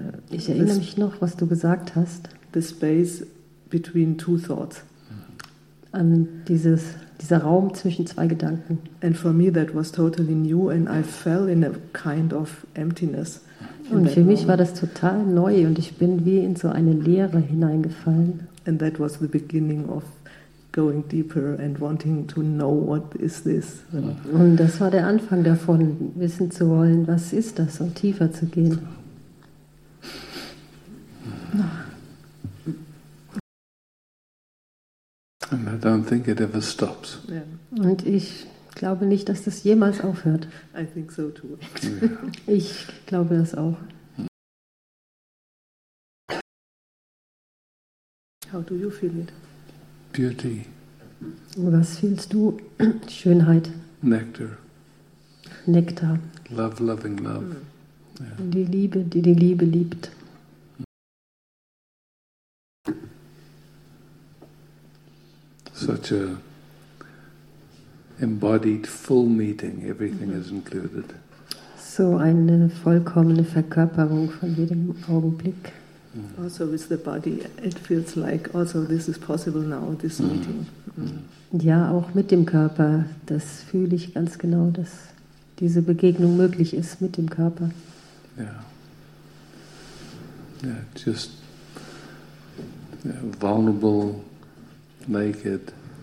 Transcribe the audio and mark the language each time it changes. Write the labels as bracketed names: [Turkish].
[German] Ich erinnere mich noch, was du gesagt hast. [English] The space between two thoughts. [German] An dieser Raum zwischen zwei Gedanken. [English] And for me that was totally new, and I fell in a kind of emptiness. [German] Und für mich war das total neu, und ich bin wie in so eine Leere hineingefallen. [English] And that was the beginning of going deeper and wanting to know what is this. [German] Und das war der Anfang davon, wissen zu wollen, was ist das, um tiefer zu gehen. [English] And I don't think it ever stops. Yeah. [German] Und ich glaube nicht, dass das jemals aufhört. [English] I think so too. Yeah. [German] Ich glaube das auch. [English] How do you feel it? Beauty. [German] Was fühlst du? Schönheit. [English] Nectar. [German] Nektar. [English] Love, loving love. Mm. Yeah. [German] Die Liebe, die die Liebe liebt. [English] Such a embodied full meeting. Everything is included. [German] So eine vollkommene Verkörperung von jedem Augenblick. [English] Also with the body, it feels like also this is possible now, this meeting. [German] Ja, auch mit dem Körper, das fühle ich ganz genau, dass diese Begegnung möglich ist mit dem Körper. [English] Yeah, just vulnerable, naked.